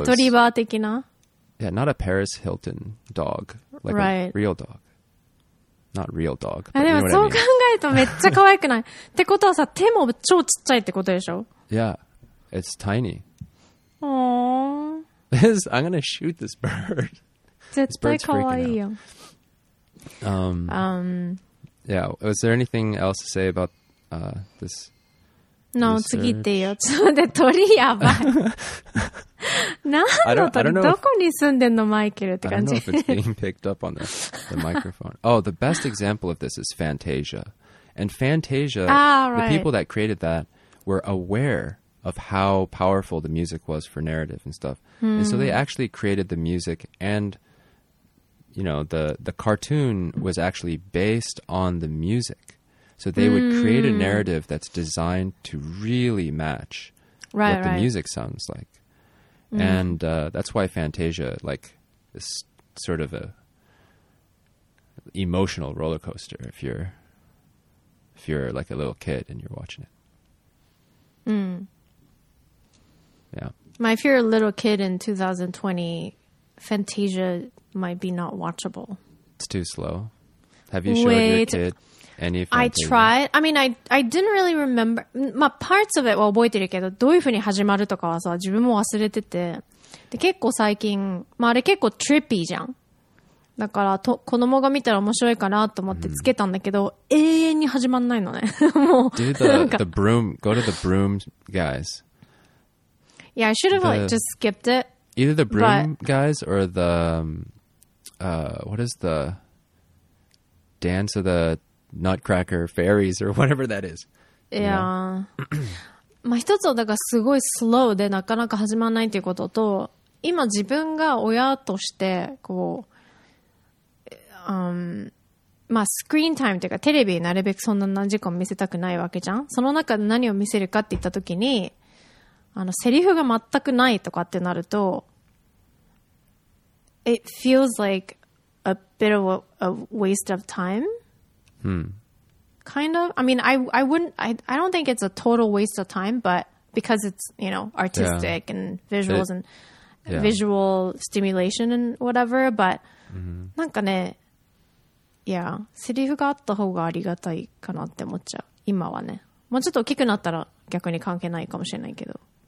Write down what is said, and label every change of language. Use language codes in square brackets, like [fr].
[ja] Retriever的な? [en] Yeah, not a Paris Hilton dog. Like right. A real dog. Not real dog. [ja] でもそう考えるとめっちゃ可愛くない。ってことはさ、手も超ちっちゃいってことでしょ? [en] Yeah, it's tiny. Aww. I'm gonna shoot this bird. [ja] 絶対可愛いよ。 [en] Yeah, was there anything else to say about this? [ja] No, 次行っていいよ。ちょっと待って、鳥やばい。何の鳥？どこに住んでんの、マイケルって感じ。 [en] I don't know if it's being picked up on the microphone. Oh, the best example of this is Fantasia. And Fantasia, right. The people that created that were aware of how powerful the music was for narrative and stuff. And so they actually created the music and... You know, the cartoon was actually based on the music. So they would create a narrative that's designed to really match right, what the music sounds like. And that's why Fantasia, like, is sort of a emotional roller coaster if you're like a little kid and you're watching it. Yeah. My, if you're a little kid in 2020, Fantasia... might be not watchable. It's too slow. Have you showed your kid any Fantasia? I tried. I mean, I didn't really remember. [ja] まあ、 [en] parts of it [ja] は覚えてるけど、どういう風に始まるとかはさ、自分も忘れてて。で、結構最近、まあ、あれ結構 trippy じゃん。だから、子供が見たら面白いかなと思ってつけたんだけど、永遠に始まんないのね。もう。 [en] Do the broom, go to the broom guys. Yeah, I should have like just skipped it. Either the broom guys or the, what is the dance of the Nutcracker fairies or whatever that is. Yeah. [ja] まあ一つはだからすごいスローでなかなか始まらないっていうことと、今自分が親としてこう、まあスクリーンタイムというかテレビになるべくそんな何時間も見せたくないわけじゃん。その中で何を見せるかって言ったときに、あのセリフが全くないとかってなると、 [en] It feels like a bit of a waste of time. Kind of. I mean, I don't think it's a total waste of time, but because it's, you know, artistic and visuals and visual stimulation and whatever, but [ja] なんかね、 [en] yeah, [ja] セリフがあった方がありがたいかなって思っちゃう。今はね。もうちょっと大きくなったら逆に関係ないかもしれないけど。